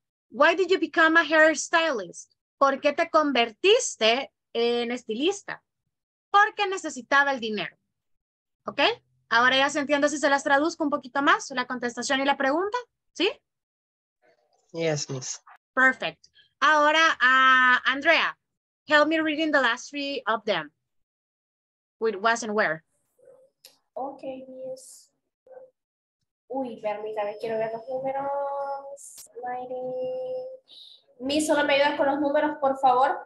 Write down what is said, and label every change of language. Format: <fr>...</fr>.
<en>Why did you become a hairstylist?</en> <es>¿Por qué te convertiste en estilista? Porque necesitaba el dinero. ¿Ok? Ahora ya se entiende si se las traduzco un poquito más, la contestación y la pregunta. ¿Sí?</es> <en>Yes, miss. Perfect.</en> <es>Ahora,</es> <en>Andrea, help me reading the last three of them. With was and where. Ok, miss.</en> <es>Uy, permítame, quiero ver los números. Mi, solo me ayudas con los números, por favor.</es>